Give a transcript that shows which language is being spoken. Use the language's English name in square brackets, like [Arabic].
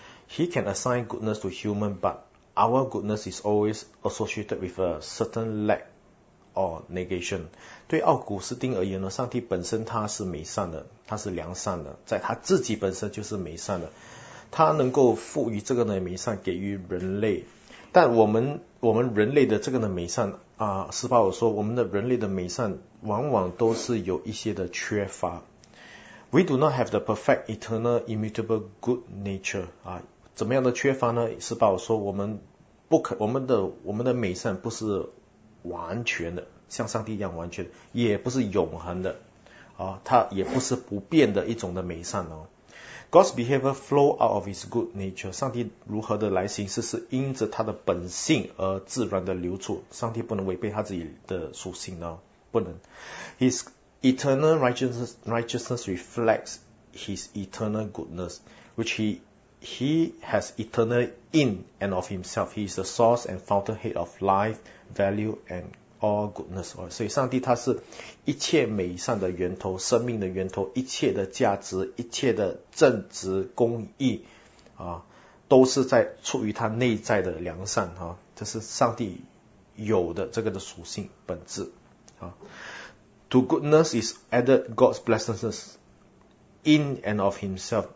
[English] He can assign goodness to human, but our goodness is always associated with a certain lack or negation. [Chinese] 对奥古斯丁而言呢，上帝本身他是美善的，他是良善的，在他自己本身就是美善的，他能够赋予这个的美善给予人类。但我们人类的这个的美善斯巴尔说，我们的人类的美善往往都是有一些的缺乏。 [English] We do not have the perfect, eternal, immutable good nature. [Chinese] 怎么样的缺乏呢？斯巴尔说，我们的美善不是完全的，像上帝一样完全，也不是永恒的，它也不是不变的一种的美善哦。 [English] God's behavior flow out of his good nature. [Chinese] 上帝如何的来行事，是因着他的本性而自然的流出。上帝不能违背他自己的属性呢，不能。 [English] His eternal righteousness reflects his eternal goodness, which he has eternal in and of himself. He is the source and fountainhead of life, value, and all goodness. [Chinese] 所以上帝他是一切美善的源头，生命的源头，一切的价值，一切的正直公义都是在出于他内在的良善这是上帝有的这个的属性本质 [English] To goodness is added God's blessedness in and of himself.